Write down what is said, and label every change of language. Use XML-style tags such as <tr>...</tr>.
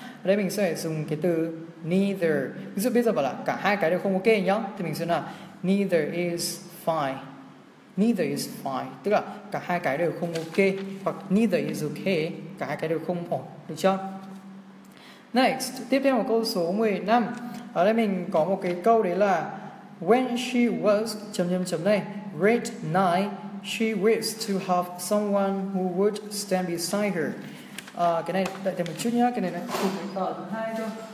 <vi>Ở đây mình sẽ dùng cái từ neither. Ví dụ bây giờ bảo là cả hai cái đều không ok nhá, thì mình sẽ là</vi> <en>neither is fine. Neither is fine,</en> <vi>tức là cả hai cái đều không ok, hoặc</vi> <en>neither is okay,</en> <vi>cả hai cái đều không ổn, được chưa? Next, tiếp theo một câu số 15. Ở đây mình có một cái câu đấy là</vi> <en>when she was great 9, she wished to have someone who would stand beside her.</en> <vi>Cái này đợi thêm một chút nhá, cái này này cùng với tờ thứ hai thôi.</vi>